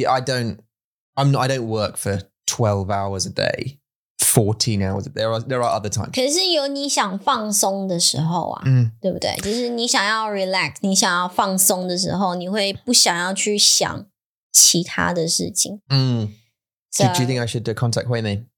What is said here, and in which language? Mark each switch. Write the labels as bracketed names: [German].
[English] I don't work for 12 hours a day, 14 hours. There are other times. [Chinese] 可是有你想放松的时候啊，对不对？就是你想要relax, 你想要放松的时候，你会不想要去想其他的事情。 [English] Do you think I should contact Hui Min?